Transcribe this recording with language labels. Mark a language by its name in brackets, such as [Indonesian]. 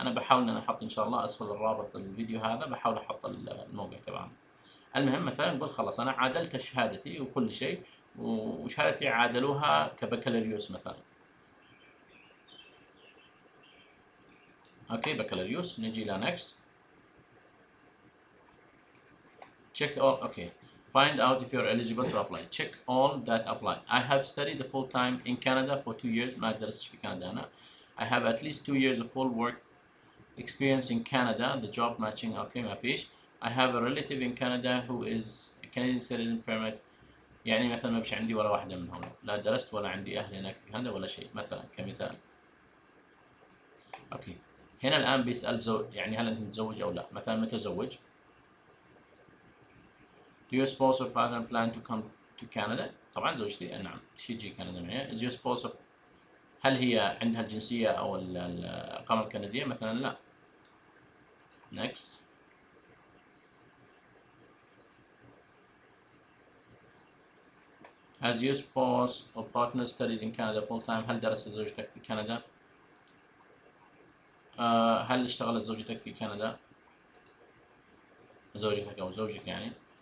[Arabic] انا بحاول ان احط ان شاء الله اسفل الرابط الفيديو هذا، بحاول احط الموقع تبعهم. المهم مثلا نقول خلاص انا عادلت شهادتي وكل شيء، وشهادتي عادلوها كبكالوريوس مثلا. اوكي بكالوريوس، نجي الى نكست. تشيك اول، اوكي. [English] Find out if you're eligible to apply. Check all that apply. I have studied the full time in Canada for 2 years. [Arabic] ما درست في كندا انا. [English] I have at least 2 years of full work experience in Canada. The job matching, okay, [Arabic] ما فيش. [English] I have a relative in Canada who is a Canadian citizen permit. [Arabic] يعني مثلا ما بش عندي ولا واحدة منهم، لا درست ولا عندي أهل هناك في كندا ولا شيء، مثلا كمثال. Okay. هنا الآن بيسأل يعني هل أنت متزوج أو لا، مثلا متزوج؟ [English] Do you suppose her partner plan to come to Canada؟ [Arabic] طبعا زوجتي نعم تجي كندا معي. [English] Is your spouse of... [Arabic] هل هي عندها الجنسية أو الإقامة الكندية؟ مثلا لا. [English] Next. Has your spouse or partner studied in Canada full time؟ [Arabic] هل درست زوجتك في كندا؟ هل اشتغلت زوجتك في كندا؟ زوجتك أو زوجك يعني.